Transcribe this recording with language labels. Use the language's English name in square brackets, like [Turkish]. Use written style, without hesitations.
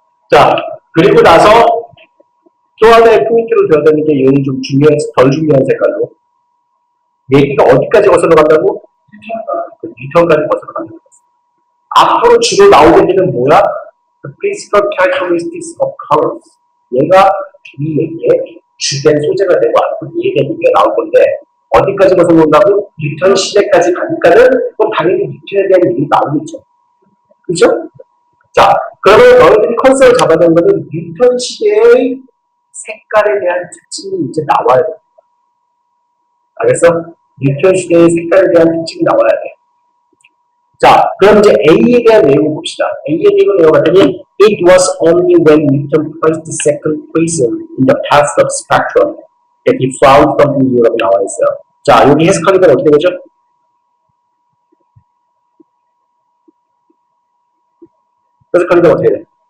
[Korean] 자, 그리고 나서 또 하나의 포인트로 되어야 되는 게 얘는 좀 중요한, 덜 중요한 색깔로 얘기가 어디까지 거슬러 간다고? 뉴턴까지 거슬러 간다고 앞으로 주로 나오게 되는 뭐야? [English] The physical characteristics of colors [Korean] 얘가 이 얘기의 주된 소재가 되고 앞으로 얘기가 나올 건데 어디까지 가서 본다고? 뉴턴 시대까지 가니까는 그럼 당연히 뉴턴에 대한 얘기가 나오겠죠. 그죠? 자, 그러면 너희들이 컨셉을 잡아놓은 거는 뉴턴 시대의 색깔에 대한 특징이 이제 나와야 됩니다. 알겠어? 뉴턴 시대의 색깔에 대한 특징이 나와야 돼. 자, 그럼 이제 A에 대한 내용을 봅시다. A에 대한 내용을 봤더니 [English] It was only when Newton placed the second prism in the path of spectrum that he found something new [Korean] 라고 나와 있어요. 자, 여기 해석하기 때문에 어떻게 되죠? 해석하기 때문에 어떻게 돼?